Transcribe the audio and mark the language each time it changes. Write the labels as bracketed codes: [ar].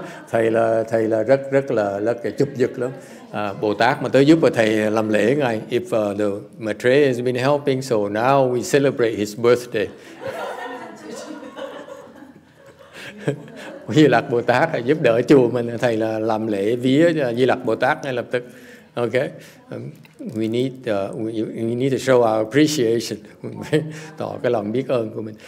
[vi] thầy là rất rất là rất là chụp giật lắm. Bồ Tát mà tới giúp và thầy làm lễ ngay. [en] If the Maitreya has been helping, so now we celebrate his birthday. [vi] Di Lặc Bồ Tát giúp đỡ chùa mình, thầy là làm lễ vía Di Lặc Bồ Tát ngay lập tức. [en] Okay, we need to show our appreciation, [vi] tỏ cái lòng biết ơn của mình.